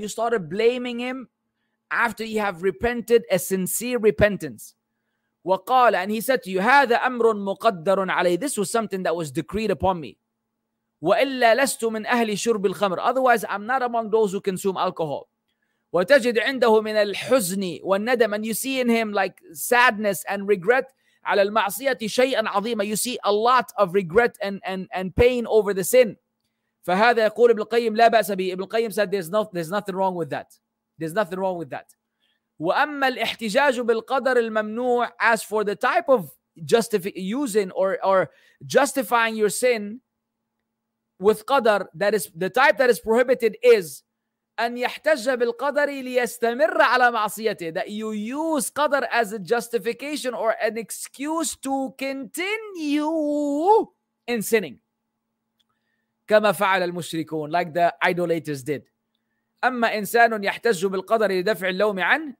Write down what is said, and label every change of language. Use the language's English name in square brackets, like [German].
[English] And you started blaming him after you have repented a sincere repentance. [Arabic] وقال, [English] and he said to you, [Arabic] هذا أمر مقدر علي. [English] This was something that was decreed upon me. [Arabic] وإلا لست من أهل شرب الخمر. [English] Otherwise, I'm not among those who consume alcohol. [Arabic] وتجد عنده من الحزن والندم. [English] And you see in him like sadness and regret [Arabic] على المعصية شيئا عظيما. [English] You see a lot of regret and pain over the sin. [Arabic] فهذا يقول ابن القيم لا بأس به. [English] Ibn Qayyim said there's nothing wrong with that. There's nothing wrong with that. [Arabic] وَأَمَّا الْإِحْتِجَاجُ بِالْقَدَرِ الْمَمْنُوعِ. [English] As for the type of justifying your sin with qadar, that is the type that is prohibited, is [Arabic] أَنْ يَحْتَجَّ بِالْقَدَرِ لِيَسْتَمِرَّ عَلَى مَعْصِيَتِهِ. [English] That you use qadar as a justification or an excuse to continue in sinning. [Arabic] كَمَا فَعَلَ الْمُشْرِكُونَ. [English] Like the idolaters did. [Arabic] أما إنسان يحتج بالقدر لدفع اللوم عنه.